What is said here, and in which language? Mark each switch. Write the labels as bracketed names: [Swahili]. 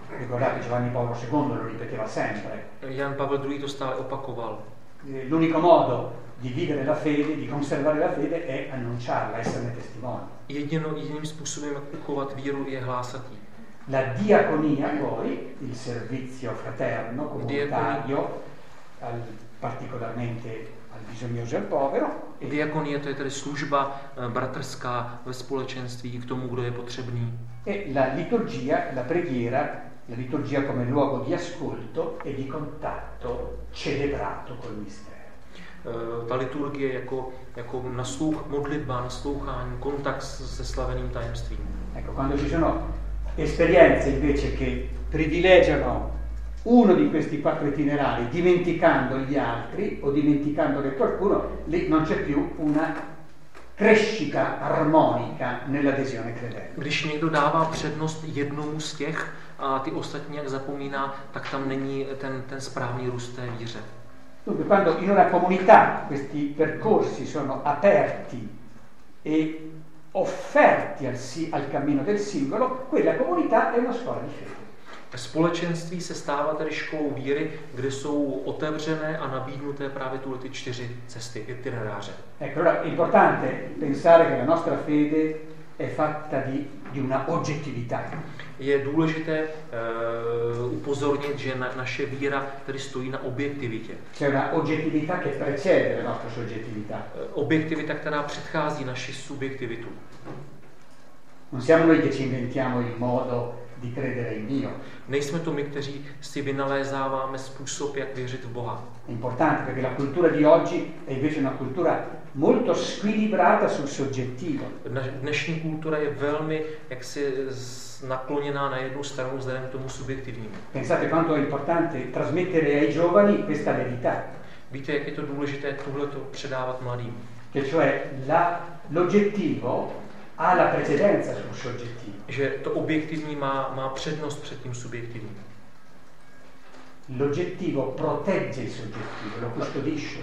[Italian] Ricordate, Giovanni Paolo II lo ripeteva sempre. [Czech] Jan Pavel II to stále opakoval. [Italian] L'unico modo di vivere la fede, di conservare la fede è annunciarla, esserne testimoni. [Czech] Jediným způsobem uchovat víru je hlásat ji. [Italian] La diaconia poi, il servizio fraterno, comunitario, particolarmente bisognoso e povero. [Czech] Diaconia, to je tedy služba bratrská ve společenství k tomu, kdo je potřebný. [Italian] E la liturgia, la preghiera, la liturgia come luogo di ascolto e di contatto celebrato col mistero. [Czech] Ta liturgie jako naslouch, modlitba, naslouchání, kontakt se slaveným tajemstvím. [Italian] Ecco, quando ci sono esperienze invece che privilegiano uno di questi quattro itinerari, dimenticando gli altri o dimenticando che qualcuno, lì non c'è più una crescita armonica nell'adesione credente. [Czech] Když někdo dává přednost jednomu z těch a ty ostatní jak zapomíná, tak tam není ten správný růst té víře. [Italian] Dunque, quando in una comunità questi percorsi sono aperti e offerti al cammino del singolo, quella comunità è una scuola di fede. [Czech] Společenství se stává tedy školou víry, kde jsou otevřené a nabídnuté právě tuhle ty čtyři cesty, itineráře. [Italian] Ecco, allora, importante pensare che la nostra fede è fatta di una oggettività. [Czech] Je důležité upozornit, že naše víra tedy stojí na objektivitě. [Italian] C'è una oggettività che precede la nostra soggettività. [Czech] Objektivita, která předchází naši subjektivitu. [Italian] Non siamo noi che ci inventiamo il modo di credere in Dio. [Czech] Nejsme to my, kteří si vynalézáváme způsob, jak věřit v Boha. [Italian] Importante perché la cultura di oggi è invece una cultura molto squilibrata sul soggettivo. [Czech] Dnešní kultura je velmi jaksi nakloněná na jednu stranu vzhledem k tomu subjektivnímu. [Italian] Pensate quanto è importante trasmettere ai giovani questa verità. [Czech] Víte, jak je to důležité tuhle to předávat mladým. [Italian] Che cioè l'oggettivo ha la precedenza sul soggettivo. [Czech] Že to objektivní má přednost před tím subjektivním. [Italian] L'oggettivo protegge il soggettivo, lo custodisce.